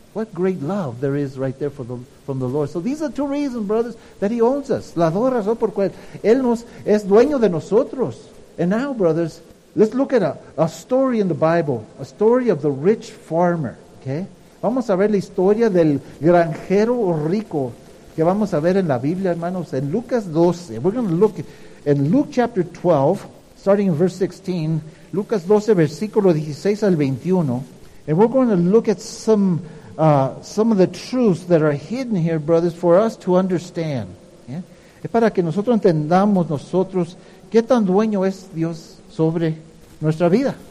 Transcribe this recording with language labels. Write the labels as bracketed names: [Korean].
[English] What great love there is right there from the Lord. So these are two reasons, brothers, that He owns us. [Spanish] La dos razones por cual Él es dueño de nosotros. [English] And now, brothers, let's look at a story in the Bible. A story of the rich farmer, okay? [Spanish] Vamos a ver la historia del granjero rico que vamos a ver en la Biblia, hermanos, en Lucas 12. [English] We're going to look in Luke chapter 12, starting in verse 16, [Spanish] Lucas 12, versículo 16 al 21. [English] And we're going to look at some of the truths that are hidden here, brothers, for us to understand. Yeah? [Spanish] Es para que nosotros entendamos nosotros qué tan dueño es Dios sobre nuestra vida.